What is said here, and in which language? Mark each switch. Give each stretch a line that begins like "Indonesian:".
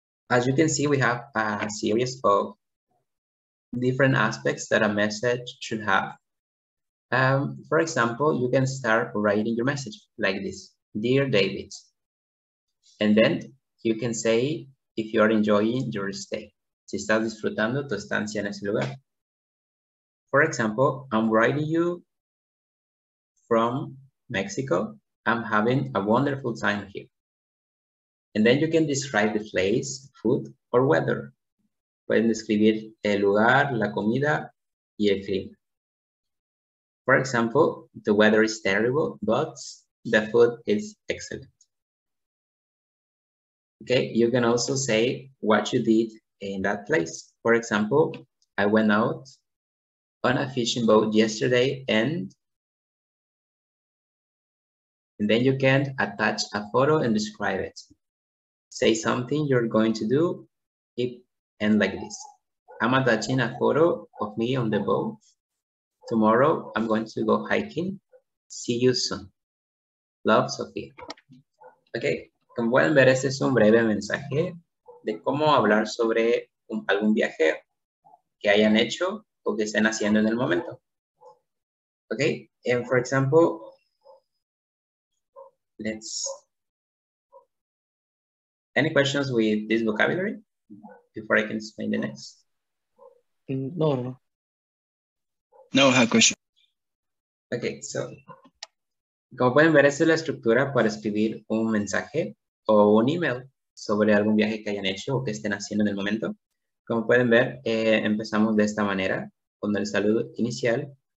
English: As you can see, we have a series of different aspects that a message should have. For example, you can start writing your message like this, Dear David. And then you can say if you are enjoying your stay.
Spanish: Si estás disfrutando tu estancia en ese lugar.
English: For example, I'm writing you from Mexico. I'm having a wonderful time here. And then you can describe the place, food, or weather.
Spanish: Pueden describir el lugar, la comida, y el clima.
English: For example, the weather is terrible, but the food is excellent. Okay, you can also say what you did in that place. For example, I went out on a fishing boat yesterday and then you can attach a photo and describe it. Say something you're going to do and like this. I'm attaching a photo of me on the boat. Tomorrow, I'm going to go hiking. See you soon. Love, Sophia. Okay.
Spanish: Como pueden ver, este es un breve mensaje de cómo hablar sobre algún viaje que hayan hecho o que estén haciendo en el momento.
English: Okay, and for example, any questions with this vocabulary before I can explain the next? No, I have questions.
Spanish: Okay, so como pueden ver, esta es la estructura para escribir un mensaje o un email sobre algún viaje que hayan hecho o que estén haciendo en el momento. Como pueden ver, empezamos de esta manera, con el saludo inicial.